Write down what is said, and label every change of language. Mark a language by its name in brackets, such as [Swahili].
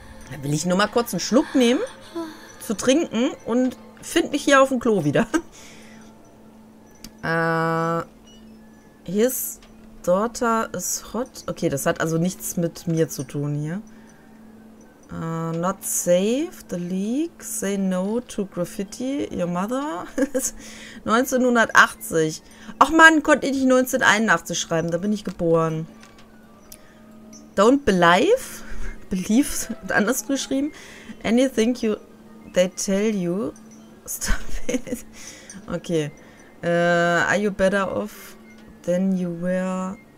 [German] Da will ich nur mal kurz einen Schluck nehmen, zu trinken und finde mich hier auf dem Klo wieder. [English] His daughter is hot. [German] Okay, das hat also nichts mit mir zu tun hier. [English] Not safe, the leak, say no to graffiti, your mother. 1980. [German] Ach man, konnte ich nicht 1981 schreiben, da bin ich geboren. [English] Don't believe, [German] anders geschrieben. [English] Anything you, they tell you, stop it. Okay. Are you better off than you were?